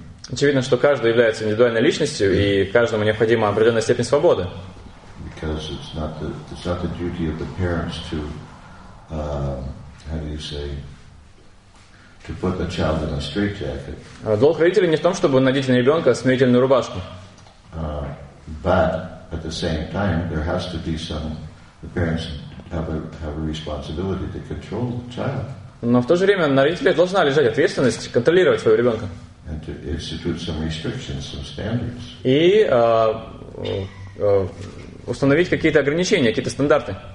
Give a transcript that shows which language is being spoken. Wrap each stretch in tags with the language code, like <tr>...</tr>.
<ru>Очевидно, что каждый является индивидуальной личностью, и каждому необходима определенная степень свободы.</ru> <en>Because it's not the duty of the parents to, to put the child in a straitjacket.</en> <ru>Долг родителей не в том, чтобы надеть на ребенка смирительную рубашку.</ru> <en>But at the same time, there has to be some. The parents have a responsibility to control the child.</en> <ru>Но в то же время на родителях должна лежать ответственность контролировать своего ребенка. Установить какие-то ограничения, какие-то стандарты.</ru>